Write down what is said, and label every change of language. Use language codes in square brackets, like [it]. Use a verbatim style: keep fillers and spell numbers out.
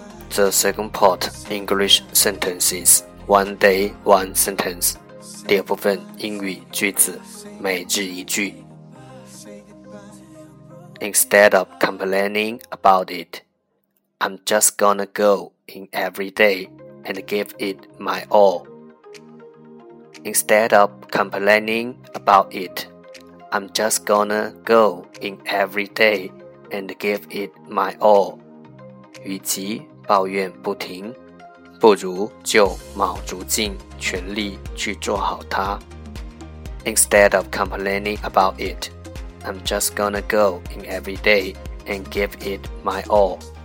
[en] The second part, English sentences. One day, one sentence. [zh] 第二部分英语句子，每日一句。 [en] Instead of complaining about it, I'm just gonna go in every day and give it my all. Instead of complaining about it, I'm just gonna go in every day and give it my all. [zh] 与其抱怨不停，不如就卯足尽全力去做好它。 [en] Instead of complaining about it, I'm just gonna go in every day and give it my all.